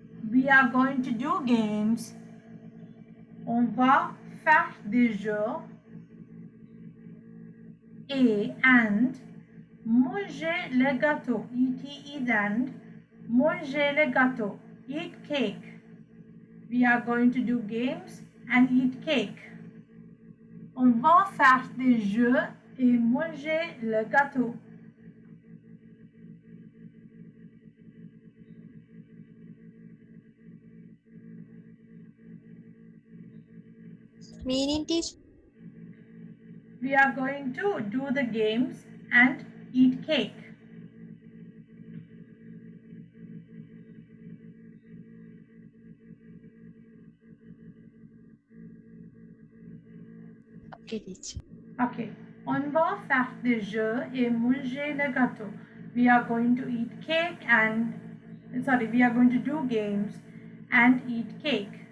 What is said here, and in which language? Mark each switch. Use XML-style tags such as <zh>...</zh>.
<en>We are going to do games.</en> <fr>On va faire des jeux. And manger le gâteau.</fr> <en>E-T is and</en> <fr>manger le gâteau.</fr> <en>Eat cake. We are going to do games and eat cake.</en> <fr>On va faire des jeux et manger le gâteau.</fr> <en>Meaning is? We are going to do the games and eat cake.</en> <fr>Okay, on va faire des jeux et manger le gâteau.</fr> <en>We are going to eat cake and, sorry, we are going to do games and eat cake.</en>